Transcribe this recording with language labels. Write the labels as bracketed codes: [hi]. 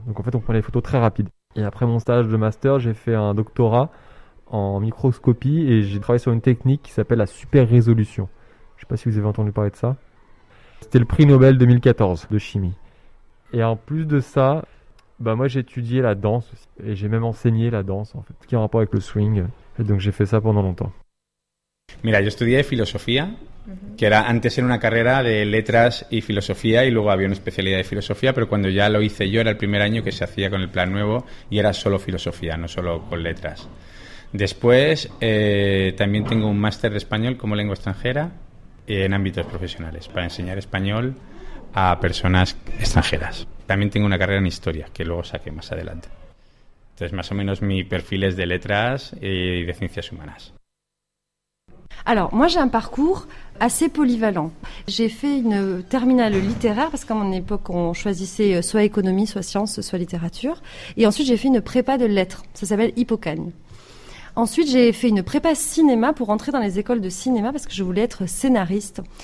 [fr] Donc en fait, on prenait les photos très rapides. Et après mon stage de master, j'ai fait un doctorat en microscopie et j'ai travaillé sur une technique qui s'appelle la super résolution. Je ne sais pas si vous avez entendu parler de ça. C'était le prix Nobel 2014 de chimie. Et en plus de ça, moi j'ai étudié la danse aussi. Et j'ai même enseigné la danse, en fait, qui a un rapport avec le swing. Donc j'ai fait ça pendant longtemps. [es] Mira, yo estudié filosofía, que era antes era una carrera de letras y filosofía y luego había una especialidad de filosofía, pero cuando ya lo hice yo era el primer año que se hacía con el plan nuevo y era solo filosofía, no solo con letras. Después también tengo un máster de español como lengua extranjera en ámbitos profesionales para enseñar español a personas extranjeras. También tengo una carrera en historia que luego saqué más adelante. Entonces, más o menos, mi perfil es de letras y de ciencias humanas. [fr] Alors, moi, j'ai un parcours assez polyvalent. J'ai fait une terminale littéraire, parce qu'à mon époque, on choisissait soit économie, soit sciences, soit littérature. Et ensuite, j'ai fait une prépa de lettres. Ça s'appelle Hippocagne. Ensuite, j'ai fait une prépa cinéma pour entrer dans les écoles de cinéma parce que je voulais être scénariste.